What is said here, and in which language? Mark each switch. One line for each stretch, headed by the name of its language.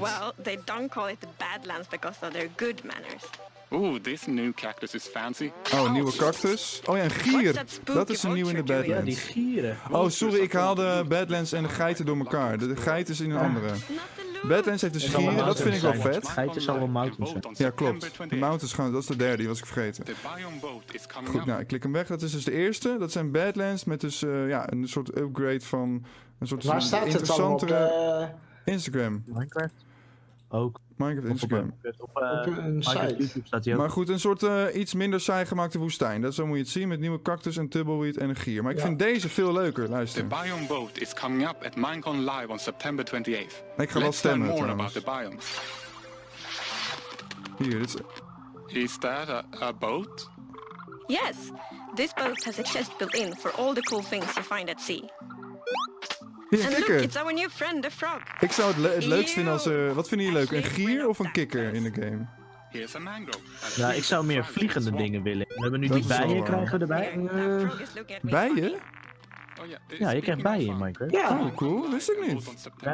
English: Well, they don't call it the Badlands because of their good manners. Ooh, this new cactus is fancy.
Dutch: Oh, nieuwe cactus. Oh ja, een gier. Dat is een nieuw in de Badlands. Ja, die gieren. Oh, sorry, ik haal de Badlands en de geiten door elkaar. De geit is in een andere. Badlands heeft dus gieren, dat vind ik wel vet. Geiten zal wel mountains zijn. Ja, klopt. De mountains gaan, dat is de derde, die was ik vergeten. Goed, nou, ik klik hem weg. Dat is dus de eerste. Dat zijn Badlands met dus een soort upgrade van... Een soort waar staat interessantere het dan op? Instagram. Minecraft? Ook. Minecraft Instagram. Op een site. Maar goed, een soort iets minder saai gemaakte woestijn. Dat zo moet je het zien met nieuwe cactus en tumbleweed en een gier. Maar ik vind deze veel leuker, luister.
English: The biome boat is coming up at Minecon Live on September 28th.
Dutch: Ik ga wel stemmen trouwens. Hier, dit is...
English: Is that a boat? Yes, this boat has a chest built in for all the cool things you find at sea.
Dutch: Een kikker.
English: Look, it's our new friend, the frog.
Dutch: Ik zou het leukst vinden als er... Wat vinden jullie leuk? Een gier of een kikker in de game?
English: Here's a mangrove.
Dutch: Ja, ik zou meer vliegende dingen willen. We hebben nu dat die bijen krijgen erbij. Bijen? Ja, je krijgt bijen in Minecraft. Ja. Oh, cool. Wist ik niet.